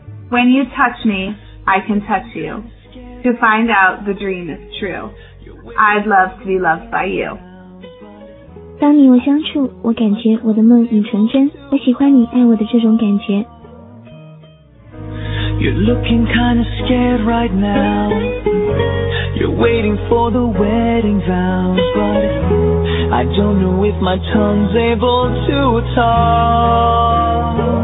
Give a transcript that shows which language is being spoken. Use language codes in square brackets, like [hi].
[en] When you touch me, I can touch you to find out the dream is true. I'd love to be loved by you. [zh] 当你我相处，我感觉我的梦已成真，我喜欢你爱我的这种感觉。 [en] You're looking kind of scared right now. You're waiting for the wedding vows, but I don't know if my tongue's able to talk.